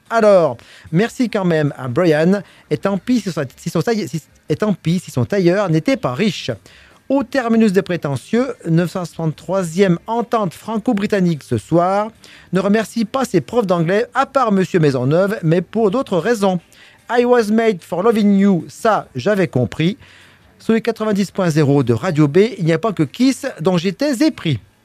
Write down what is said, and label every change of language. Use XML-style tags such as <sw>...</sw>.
<fr>Alors, merci quand même à Brian, et tant pis si son tailleur n'était pas riche. Au terminus des prétentieux, 963e entente franco-britannique ce soir, ne remercie pas ses profs d'anglais, à part M. Maisonneuve, mais pour d'autres raisons.</fr> <en>I was made for loving you,</en> <fr>ça j'avais compris. Sur les 90.0 de Radio B, il n'y a pas que Kiss dont j'étais épris.</fr>